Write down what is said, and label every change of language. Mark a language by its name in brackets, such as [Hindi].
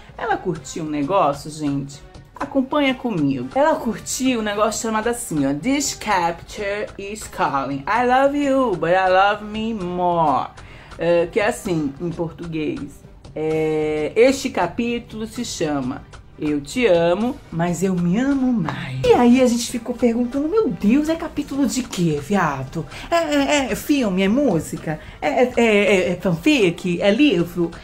[Portuguese] Ela curtiu um negócio, gente. Acompanha comigo. Ela curtiu um negócio chamado assim, ó. [English] This capture is calling. I love you, but I love me more. [Portuguese] Que é assim, em português. Este capítulo se chama Eu te amo, mas eu me amo mais. E aí a gente ficou perguntando, meu Deus, é capítulo de quê, viado? É filme? É música? É fanfic? É livro?